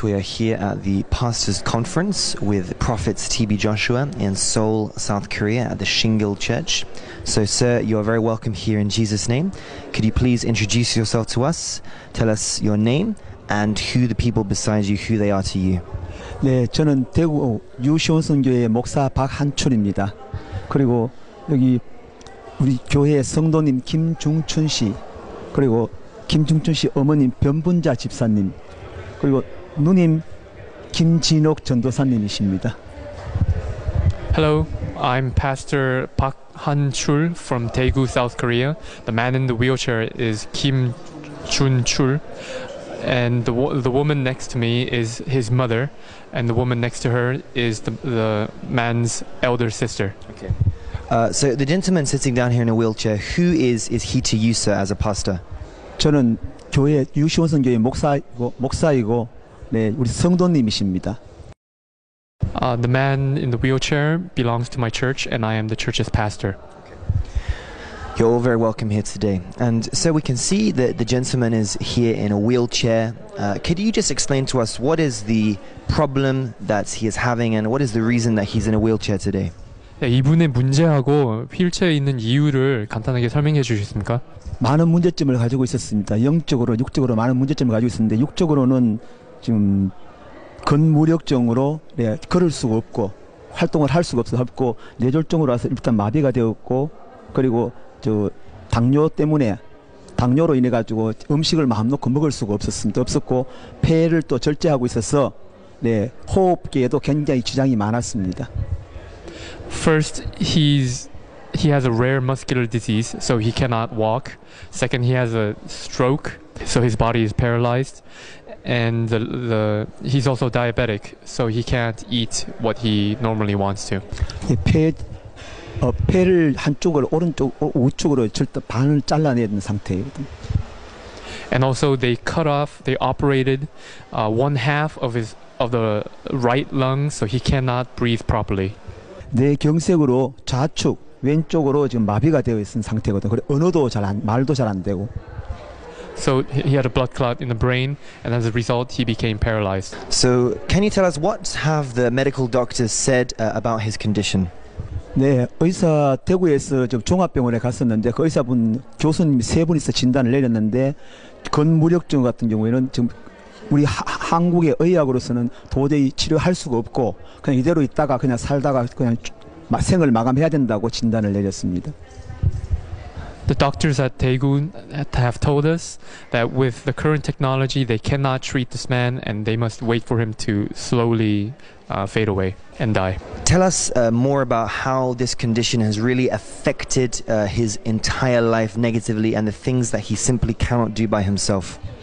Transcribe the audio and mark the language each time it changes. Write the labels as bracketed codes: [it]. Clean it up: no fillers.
[en] We are here at the Pastor's Conference with Prophets TB Joshua in Seoul, South Korea at the Shingle Church. So, sir, you are very welcome here in Jesus' name. Could you please introduce yourself to us, tell us your name and who the people beside you, who they are to you? [ko] 네, 저는 대구 유시온 선교회 목사 박한춘입니다. 그리고 여기 우리 교회 성도님 김중춘 씨, 그리고 김중춘 씨 어머님 변분자 집사님, 그리고 누님 김진옥 전도사님이십니다. [en] Hello, I'm Pastor Park Han-chul from Daegu, South Korea. The man in the wheelchair is Kim Jun-chul. And the woman next to me is his mother, and the woman next to her is the man's elder sister. Okay. So the gentleman sitting down here in a wheelchair, who is he to you, sir, as a pastor? [ko] 저는 교회 유시원 선교회 목사이고 네, 우리 성도님이십니다. [en] The man in the wheelchair belongs to my church, and I am the church's pastor. You're all very welcome here today. And so we can see that the gentleman is here in a wheelchair. Could you just explain to us what is the problem that he is having and what is the reason that he's in a wheelchair today? [ko] 네, 이분의 문제하고 휠체어에 있는 이유를 간단하게 설명해 주시겠습니까? 많은 문제점을 가지고 있었습니다. 영적으로, 육적으로 많은 문제점을 가지고 있었는데 육적으로는 지금 근무력증으로 네, 걸을 수가 없고 활동을 할 수가 없고 뇌졸중으로 와서 일단 마비가 되었고 그리고 저 당뇨 때문에 당뇨로 인해 가지고 음식을 마음 놓고 먹을 수가 없었고 폐를 또 절제하고 있어서 네, 호흡기에도 굉장히 지장이 많았습니다. [en] First, he has a rare muscular disease, so he cannot walk. Second, he has a stroke, so his body is paralyzed. And he's also diabetic, so he can't eat what he normally wants to. [ko] 폐를 한쪽을 오른쪽 우측으로 절대 반을 잘라내는 상태예요. And also they cut off, they operated one half of the right lung, so he cannot breathe properly. 내 경색으로 좌측 왼쪽으로 지금 마비가 되어 있는 상태거든. 그래 언어도 잘 안, 말도 잘 안 되고. [en] So he had a blood clot in the brain, and as a result, he became paralyzed. So can you tell us what have the medical doctors said about his condition? [ko] 네, 의사 대구에서 좀 종합병원에 갔었는데 그 의사분 교수님이 세 분이서 진단을 내렸는데 근무력증 같은 경우에는 지금 우리 한국의 의학으로서는 도저히 치료할 수가 없고 그냥 이대로 있다가 그냥 살다가 그냥 생을 마감해야 된다고 진단을 내렸습니다. [en] The doctors at Daegu have told us that with the current technology they cannot treat this man and they must wait for him to slowly fade away and die. Tell us more about how this condition has really affected his entire life negatively and the things that he simply cannot do by himself.